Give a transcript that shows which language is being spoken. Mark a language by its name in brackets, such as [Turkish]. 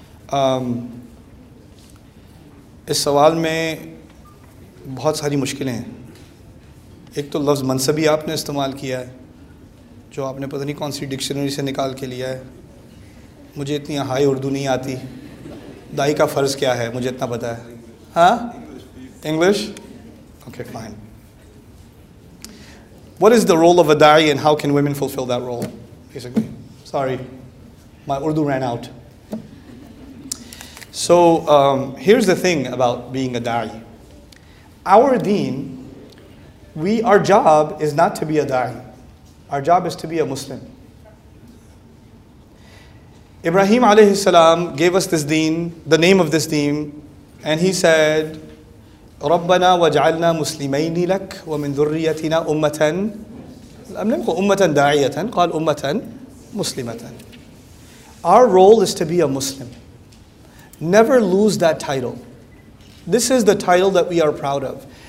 [Urdu] اس سوال میں بہت ساری مشکلیں ہیں. ایک تو لفظ منصبی آپ نے استعمال کیا ہے جو آپ نے پتہ نہیں کون سی ڈکشنری سے نکال کے لیا ہے. مجھے اتنی ہائی اردو نہیں آتی. دائی کا فرض کیا ہے مجھے اتنا پتہ ہے. ہاں English. Okay fine. [English] What is the role of a da'i and how can women fulfill that role, basically? Sorry, my Urdu ran out. So here's the thing about being a da'i. Our deen, our job is not to be a da'i. Our job is to be a Muslim. Ibrahim alayhi salam gave us this deen, the name of this deen, and he said, [Arabic] رَبَّنَا وَجْعَلْنَا مُسْلِمَيْنِ لَكْ وَمِنْ ذُرِّيَّتِنَا أُمَّةً. لم نقل أُمَّةً دَاعِيَةً قَالْ أُمَّةً مُسْلِمَةً. [English] Our role is to be a Muslim. Never lose that title. This is the title that we are proud of.